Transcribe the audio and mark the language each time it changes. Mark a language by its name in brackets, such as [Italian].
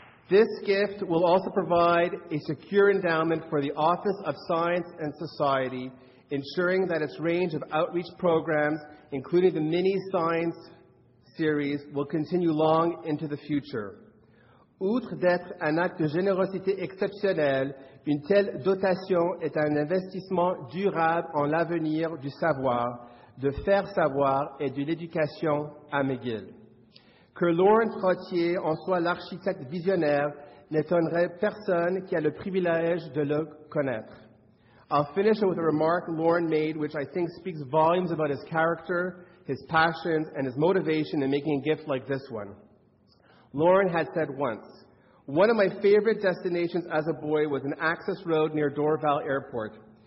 [English] This gift will also provide a secure endowment for the Office of Science and Society, ensuring that its range of outreach programs, including the mini science series, will continue long into the future. [French] Outre d'être un acte de générosité exceptionnel, une telle dotation est un investissement durable en l'avenir du savoir, de faire savoir et de l'éducation à McGill. Que Lauren Trottier en soit l'architecte visionnaire n'étonnerait personne qui a le privilège de le connaître. [English] I'll finish with a remark Lauren made, which I think speaks volumes about his character, his passions, and his motivation in making a gift like this one. Lauren had said once, one of my favorite destinations as a boy was an access road near Dorval Airport.